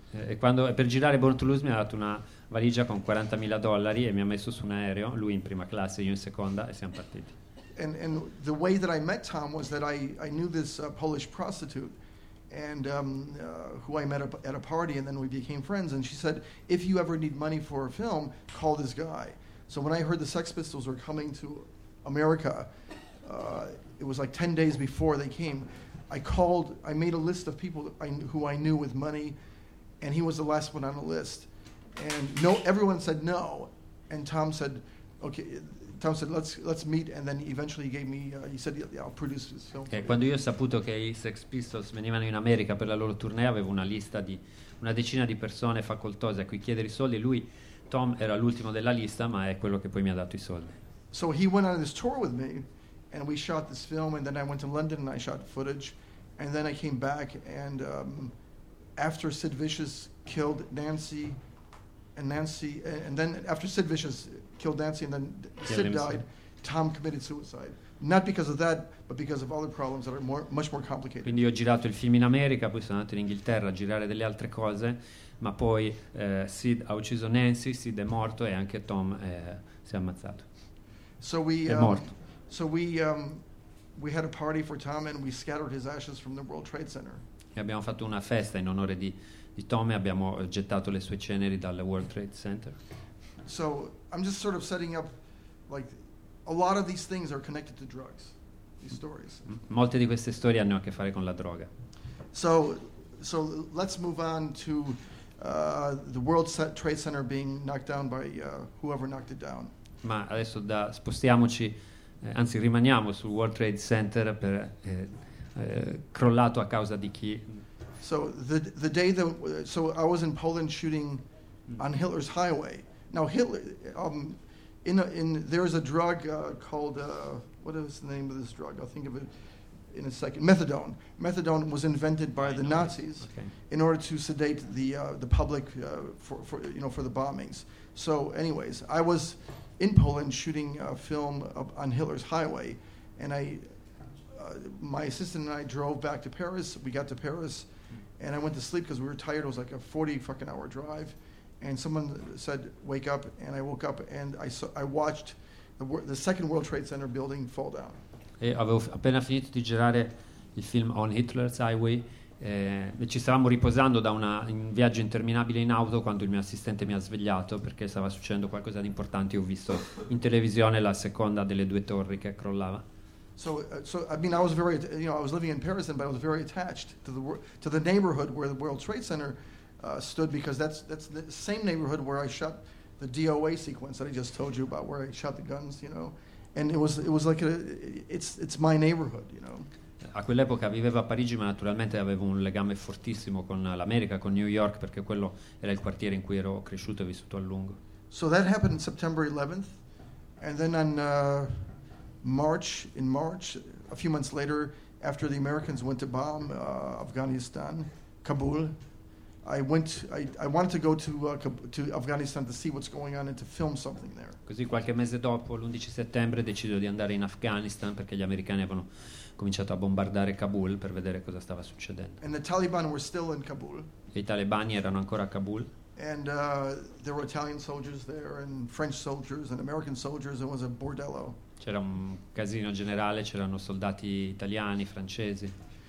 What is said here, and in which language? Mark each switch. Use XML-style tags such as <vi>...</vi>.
<it>E quando per girare Born to Lose mi ha dato una valigia con $40,000 e mi ha messo su un aereo, lui in prima classe, io in seconda, e siamo partiti.</it> <en>And the way that I met Tom was that I knew this Polish prostitute, and who I met at a party, and then we became friends, and she said, "If you ever need money for a film, call this guy." So when I heard the Sex Pistols were coming to America, it was like 10 days before they came, I made a list of people who I knew with money, and he was the last one on the list. And no, everyone said no, and Tom said, "Okay." Tom said, "Let's meet." And then eventually, he gave me. He said, "Yeah, I'll produce this film." Okay.</en> <it>Quando io ho saputo che i Sex Pistols venivano in America per la loro tournée, avevo una lista di una decina di persone facoltose a cui chiedere i soldi. Lui, Tom, era l'ultimo della lista, ma è quello che poi mi ha dato i soldi.</it> <en>So he went on this tour with me, and we shot this film, and then I went to London and I shot footage, and then I came back, and after Sid Vicious killed Nancy, Sid died, Tom committed suicide. Not because of that, but because of other problems that are much more complicated.</en> <it>Quindi ho girato il film in America, poi sono andato in Inghilterra a girare delle altre cose, ma poi Sid ha ucciso Nancy, Sid è morto e anche Tom si è ammazzato.</it> <en>So we,</en> <it>è morto.</it> <en>So we had a party for Tom and we scattered his ashes from the World Trade Center.</en> <it>E abbiamo fatto una festa in onore di Tom e abbiamo gettato le sue ceneri dal World Trade Center.</it> <en>So I'm just sort of setting up like a lot of these things are connected to drugs, these stories.</en> <it>Molte di queste storie hanno a che fare con la droga.</it> <en>So let's move on to the World Trade Center being knocked down by whoever knocked it down.</en> <it>Ma adesso spostiamoci, anzi rimaniamo sul World Trade Center per crollato a causa di chi.</it> <en>So the day that so I was in Poland shooting on Hitler's highway. Now Hitler there's a drug called what is the name of this drug? I'll think of it in a second. Methadone. Methadone was invented by the Nazis in order to sedate the public for the bombings. So anyways, I was in Poland shooting a film on Hitler's highway, and I my assistant and I drove back to Paris. We got to Paris and I went to sleep because we were tired. It was like a 40 fucking hour drive. And someone said, "Wake up!" And I woke up, and I watched the second World Trade Center building fall down.</en> <it>E avevo appena finito di girare il film on Hitler's Highway. E ci stavamo riposando da un viaggio interminabile in auto quando il mio assistente mi ha svegliato perché stava succedendo qualcosa di importante. Ho visto in televisione la seconda delle due torri che crollava.</it> <en>So I mean, I was very, you know, I was living in Paris, but I was very attached to the neighborhood where the World Trade Center stood, because that's the same neighborhood where I shot the DOA sequence that I just told you about, where I shot the guns, you know, and it was like it's my neighborhood, you know.</en> <it>A quell'epoca vivevo a Parigi, ma naturalmente avevo un legame fortissimo con l'America, con New York, perché quello era il quartiere in cui ero cresciuto e vissuto a lungo.</it> <en>So that happened September 11th, and then on March, a few months later, after the Americans went to bomb Afghanistan, Kabul. I wanted to go to Afghanistan to see what's going on and to film something there.</en> <it>Così qualche mese dopo l'11 settembre decido di andare in Afghanistan perché gli americani avevano cominciato a bombardare Kabul per vedere cosa stava succedendo.</it> <en>And the Taliban were still in Kabul.</en> <it>E i talebani erano ancora a Kabul.</it> <en>And there were Italian soldiers there and French soldiers and American soldiers, and it was a bordello.</en> <it>C'era un casino generale, c'erano soldati italiani, francesi.</it>